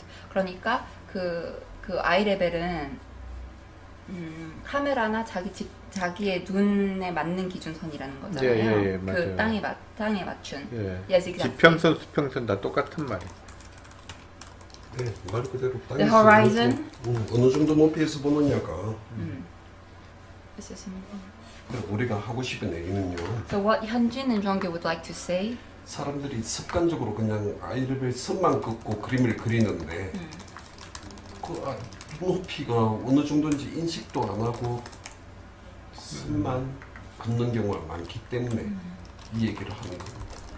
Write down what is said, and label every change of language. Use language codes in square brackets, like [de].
[ko] 그러니까 그 아이 레벨은 카메라나 자기의 눈에 맞는 기준선이라는 거잖아요. 예, 예, 예, 그 땅에 맞춘. [en] 예. Yes, exactly. [ko] 지평선, 수평선 다 똑같은 말이. 네, 말 그대로 [en] The horizon. [ko] 어느 정도 높이에서 보느냐가. [en] This is important. [ko] 우리가 하고 싶은 얘기는요. [en] So what Hyunjin and Jeonggi would like to say. [ko] 사람들이 습관적으로 그냥 아이레벨 선만 긋고 그림을 그리는데 그 높이가 어느 정도인지 인식도 안 하고 선만 긋는 경우가 많기 때문에 이 얘기를 하는 겁니다.